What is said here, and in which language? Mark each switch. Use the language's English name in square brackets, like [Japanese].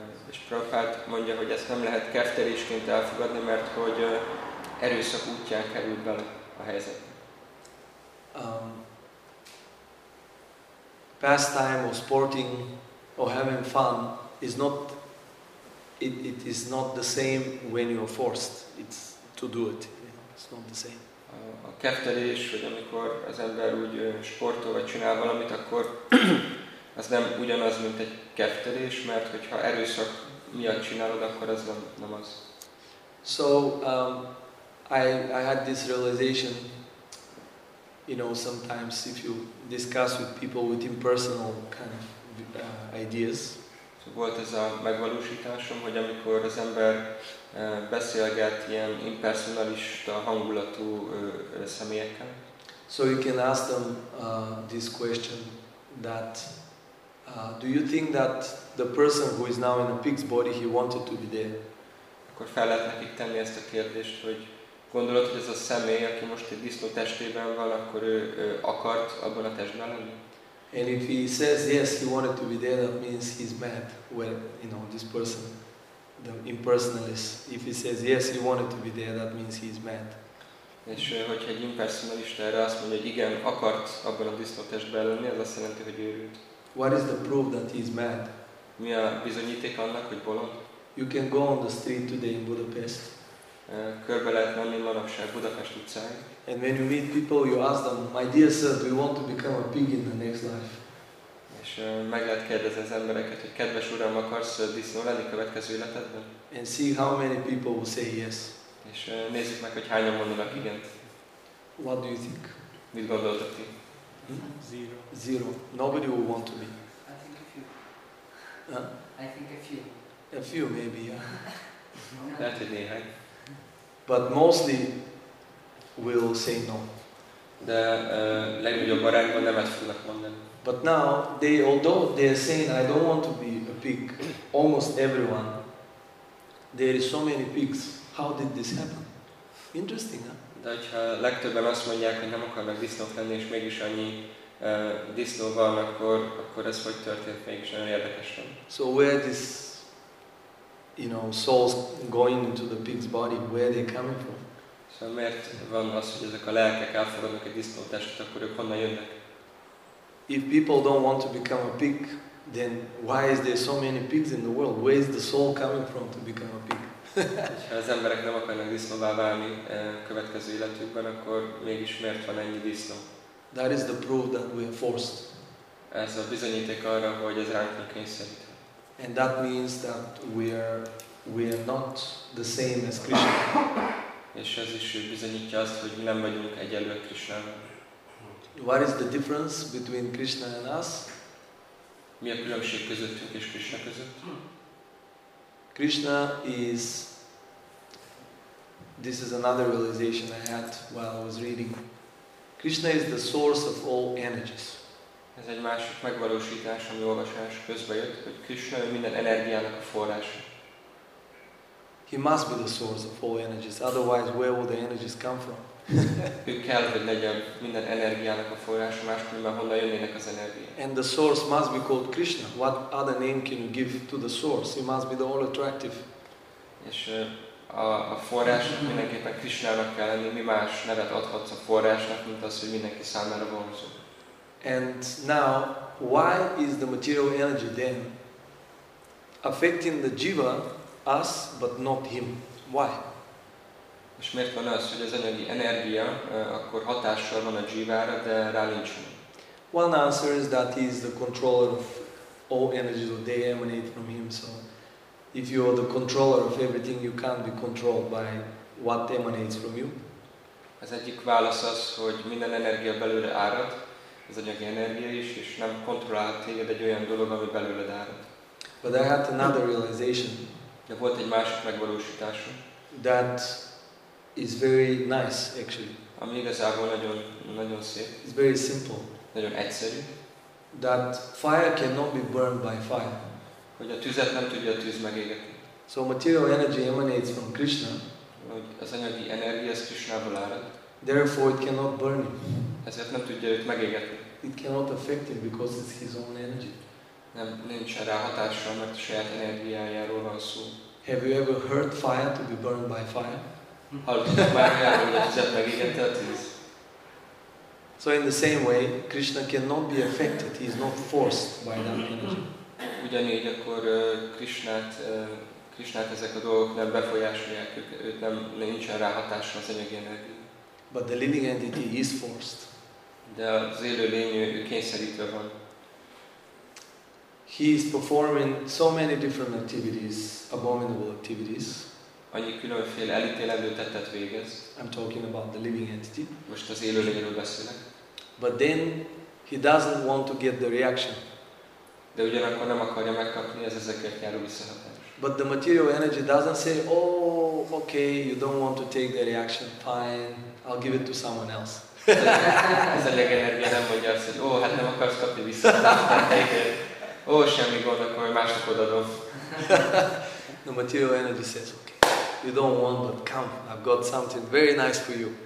[Hungarian] És Prabhupada mondja, hogy ezt nem lehet keftelésként elfogadni, mert hogy erőszak útján került bele a helyzet. [English] Pastime or sporting or having fun is not it is not the same when you are forced it's to do it. it's not the same. [Hungarian] A keftelés, hogy amikor az ember úgy sportol vagy csinál valamit, akkor az nem ugyanaz, mint egy keftelés, mert hogyha erőszak miatt csinálod, akkor az nem az. [English] So I had this realization, you know, sometimes if you discuss with people with impersonal kind of ideas. [Hungarian] So volt ez a megvalósításom, hogy amikor az ember beszélget ilyen impersonalista hangulatú személyekkel. [English] So you can ask them this question that do you think that the person who is now in a pig's body, he wanted to be there? [Hungarian] Akkor fel lehet nekik tenni ezt a kérdést, hogy gondolod, hogy ez a személy, aki most egy disznó testében van, akkor ő akart abban a testben lenni? [English] And if he says yes, he wanted to be there, that means he's mad. Well, you know, this person, the impersonalist. If he says yes, he wanted to be there, that means he's mad. [Hungarian] És hogyha egy impersonalista erre azt mondja, hogy igen, akart abban a disznó testben lenni, az azt jelenti, hogy őrült. [English] What is the proof that he's mad? [Hungarian] Mi a bizonyíték annak, hogy bolond? [English] You can go on the street today in Budapest. [Hungarian] Körbe lehet menni manapság Budapest utcáin. [English] And when you meet people, you ask them, my dear sir, do you want to become a pig in the next life? [Hungarian] És meg lehet kérdezni az embereket, hogy kedves uram, akarsz disznó lenni következő életedben? [English] And see how many people will say yes. [Hungarian] És nézzük meg, hogy hányan mondanak igen. [English] What do you think? [Hungarian] Mit gondoltak ti? [English] Zero. Zero. Nobody will want to be. I think a few. Huh? I think a few. A few maybe, yeah. [Hungarian] Lehet, hogy néhány. [English] But mostly, will say no. [Hungarian] De legnagyobb arányban nemet fognak mondani. [English] But now they, although they are saying I don't want to be a pig, almost everyone. There is so many pigs. How did this happen? Interesting, huh? [Hungarian] De hogyha legtöbben azt mondják, hogy nem akarnak disznók lenni, és mégis annyi disznó van, akkor ez hogy történt? Mégis nagyon érdekes. [English] So where this, you know, souls going into the pig's body? Where they coming from? [Hungarian] Mert van az, hogy ezek a lelkek elfogadnak egy disznó testet, akkor ők honnan jönnek? [English] If people don't want to become a pig, then why is there so many pigs in the world? Where is the soul coming from to become a pig? [Hungarian] Ha az emberek nem akarnak disznóvá válni következő életükben, akkor mégis miért van ennyi disznó? [English] That is the proof that we are forced. [Hungarian] Ez a bizonyíték arra, hogy ez ránk van kényszerít. [English] And that means that we are not the same as Krishna. [Hungarian] És ez is bizonyítja azt, hogy mi nem vagyunk egyenlőek Krishnával. [English] What is the difference between Krishna and us? [Hungarian] Mi a különbség közöttünk és Krishna között? [English] Krishna is... This is another realization I had while I was reading. Krishna is the source of all energies. [Hungarian] Ez egy másik megvalósítás, ami olvasás közben jött, hogy Krishna minden energiának a forrása. [English] He must be the source of all energies, otherwise where will the energies come from? [Hungarian] Ő kell, hogy legyen minden energiának a forrása, máskülönben honnan jönnének az energiák. [English] And the source must be called Krishna. What other name can you give to the source? He must be the all-attractive. [Hungarian] És a forrásnak mindenképpen Krishnának kell lenni. Mi más nevet adhatsz a forrásnak, mint az, hogy mindenki számára vonzó. [English] And now, why is the material energy then affecting the jiva, us, but not him? Why? [Hungarian] És miért van az, hogy az anyagi energia akkor hatással van a jivára, de rá nincs? [English] One answer is that he is the controller of all energies, so they emanate from him. So if you are the controller of everything, you can't be controlled by what emanates from you. [Hungarian] Az egyik válasz az, hogy minden energia belőle árad, az anyagi energia is, és nem kontrollál téged egy olyan dolog, ami belőled árad. [English] But I had another realization. [Hungarian] De volt egy másik megvalósításom. [English] That is very nice, actually. [Hungarian] Ami igazából nagyon szép. [English] It's very simple. [Hungarian] Nagyon egyszerű. [English] That fire cannot be burned by fire. [Hungarian] Hogy a tüzet nem tudja a tűz megégetni. [English] So material energy emanates from Krishna. [Hungarian] Hogy az anyagi energia Krishnából árad. [English] Therefore it cannot burn him. [Hungarian] Ezért nem tudja őt megégetni. [English] It cannot affect him because it's his own energy. [Hungarian] Nem, nincs rá hatással, mert a saját energiájáról van szó. [English] Have you ever heard fire to be burned by fire? [Hungarian] Hallottam már rá, hogy a tüzet megégette a tűz. [English] So in the same way, Krishna cannot be affected, he is not forced by that energy. [Hungarian] Ugyanígy akkor Krishnát ezek a dolgok nem befolyásolják, őt nem, nincsen rá hatással az anyagi energia. [English] But the living entity is forced. [Hungarian] De az élő lény kényszerítve van. [English] He is performing so many different activities, abominable activities. [Hungarian] Annyi különféle elítélendő tettet végez. [English] I'm talking about the living entity. [Hungarian] Most az élő lényről beszélek. [English] But then he doesn't want to get the reaction. [Hungarian] De ugyanakkor nem akarja megkapni az ezekért járó visszahatást. [English] But the material energy doesn't say, oh, okay, you don't want to take the reaction, fine, I'll give it to someone else. [Hungarian] Ez a legenergia nem mondja azt, hogy oh, hát nem akarsz kapni visszahatást. Oh, semmi gond, akkor másnak odaadom. [English] The material energy says, okay, you don't want, but come, I've got something very nice for you.